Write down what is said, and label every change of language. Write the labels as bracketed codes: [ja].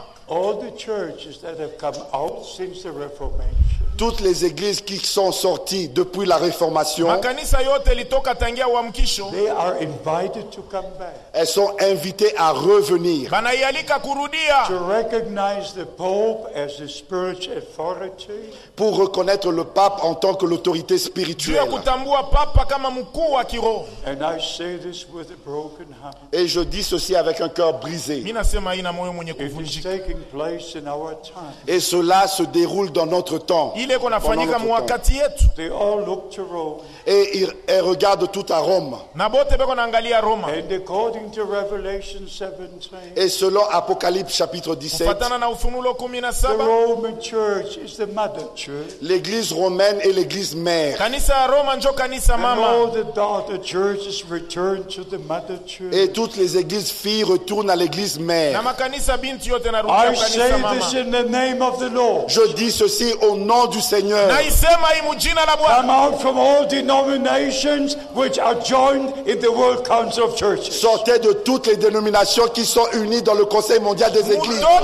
[en] All the churches that have come out since the Reformation. [fr] Toutes les églises qui sont sorties depuis la Réformation, [en] they are invited to come back. [fr] Elles sont invitées à revenir. [en] To recognize the Pope as the spiritual authority. [fr] Pour reconnaître le pape en tant que l'autorité spirituelle. [en] And I say this with a broken heart. [fr] Et je dis ceci avec un cœur brisé. [en] It is taking place in our time. [fr] Et cela se déroule dans notre temps. [en] They all look to Rome. [fr] Et ils regardent tout à Rome. [en] And according to Revelation 17. [fr] Et selon Apocalypse chapitre 17. [en] The Roman Church is the mother church. [fr] L'église romaine est l'église mère. [sw] Kanisa ya Roma njo kanisa mama. [en] And all the daughter churches return to the mother church. [fr] Et toutes les églises filles retournent à l'église mère. [sw] Na makanisa binti yote narudia kanisa mama. [en] I say this in the name of the Lord. [fr] Je dis ceci au nom du Seigneur. [en] Come out from all denominations which are joined in the World Council of Churches. [fr] Sortez de toutes les dénominations qui sont unies dans le Conseil mondial des églises.